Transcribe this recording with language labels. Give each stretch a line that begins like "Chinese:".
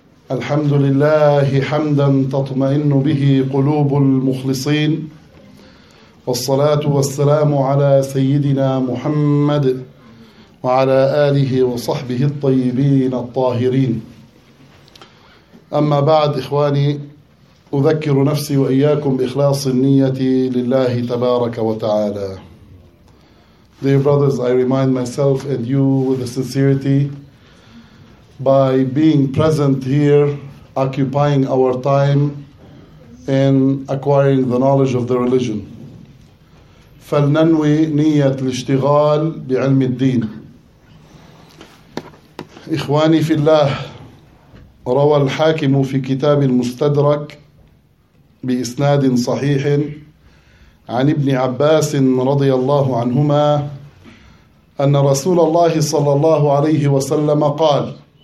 Arabic: الحمد لله حمدا تطمئن به قلوب المخلصين، والصلاة والسلام على سيدنا محمد وعلى آله وصحبه الطيبين الطاهرين. أما بعد، إخواني، أذكر نفسي وإياكم بإخلاص النية لله تبارك وتعالى.
English: Dear brothers, I remind myself and you with a sincerity by being present here, occupying our time and acquiring the knowledge of the religion.
Arabic: فلننوي نية الاشتغال بعلم الدين. إخواني في الله، روى الحاكم في كتاب المستدرك بإسناد صحيح عن ابن عباس رضي الله عنهما أن رسول الله صلى الله عليه وسلم قال: